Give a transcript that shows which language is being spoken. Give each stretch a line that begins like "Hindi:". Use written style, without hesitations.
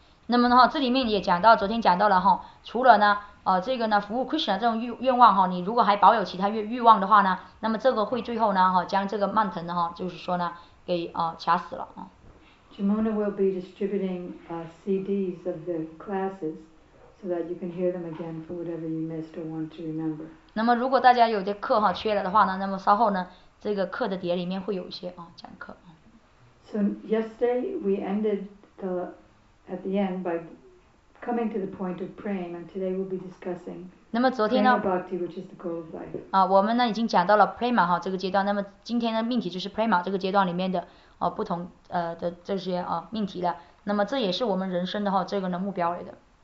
Chinese: 那么这里面也讲到，昨天讲到了除了呢。这个呢，服务 Krishna 这种愿望你如果还保有其他愿望的话呢，那么这个会最后呢将这个蔓藤呢就是说呢给卡死了啊。
English: Jamuna will be distributing CDs of the classes so that you can hear them again for whatever you missed or want to remember.
Chinese: 那么如果大家有的课缺了的话呢，那么稍后呢这个课的碟里面会有一些讲课。
English: So yesterday we ended at the end by. Coming to the point of praying, and today we'll be discussing.
Chinese: 那么昨天呢
English: ？Prema bhakti, which is the goal of life.
Chinese: 我们呢已经讲到了 prema 这个阶段。那么今天的命题就是 prema 这个阶段里面的不同的这些命题了。那么这也是我们人生的这个呢目标来的。